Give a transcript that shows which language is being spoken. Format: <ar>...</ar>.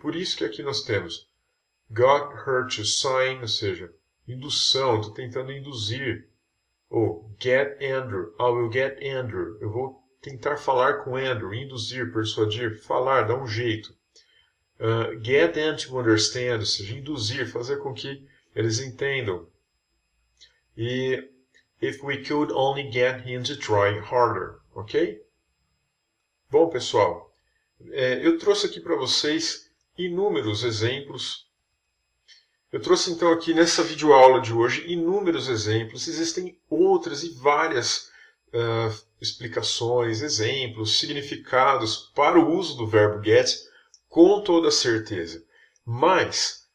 <pt>Por isso que aqui nós temos</pt> <en>got her to sign,</en> <pt>ou seja, indução, estou tentando induzir. Ou</pt> <en>get Andrew, I will get Andrew.</en> <pt>Eu vou tentar falar com Andrew, induzir, persuadir, falar, dar um jeito.</pt> <en>Get them to understand,</en> <pt>ou seja, induzir, fazer com que eles entendam.</pt> <en>If we could only get him to try harder, ok?</en> <pt>Bom, pessoal, eu trouxe aqui para vocês inúmeros exemplos. Eu trouxe então aqui nessa videoaula de hoje inúmeros exemplos. Existem outras e várias explicações, exemplos, significados para o uso do verbo get, com toda certeza. Mas</pt>